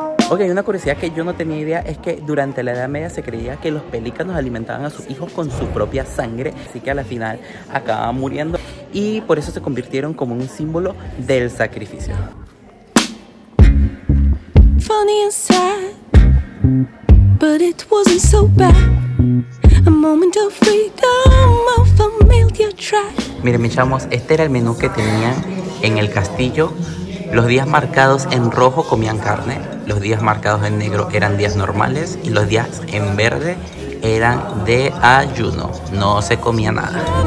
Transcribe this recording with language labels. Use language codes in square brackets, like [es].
[es] Ok, una curiosidad que yo no tenía idea es que durante la Edad Media se creía que los pelícanos alimentaban a sus hijos con su propia sangre, así que a la final acababan muriendo y por eso se convirtieron como un símbolo del sacrificio. [en] Funny and sad, but it wasn't so bad. A moment of freedom, a familiar trash. [es] Miren, mis chamos, este era el menú que tenían en el castillo. Los días marcados en rojo comían carne, los días marcados en negro eran días normales y los días en verde eran de ayuno, no se comía nada.